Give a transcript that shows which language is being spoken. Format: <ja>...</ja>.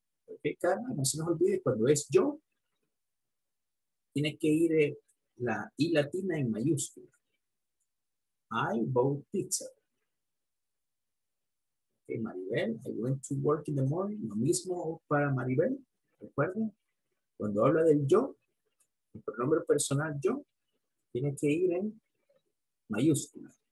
<es>Okay, Carla, no se nos olvide, cuando es yo, tiene que ir la I latina en mayúscula.</es> <en>I bought pizza. Okay, Maribel, I went to work in the morning.</en> <es>Lo mismo para Maribel, recuerden, cuando habla del yo, el pronombre personal yo, tiene que ir en mayúscula.</es>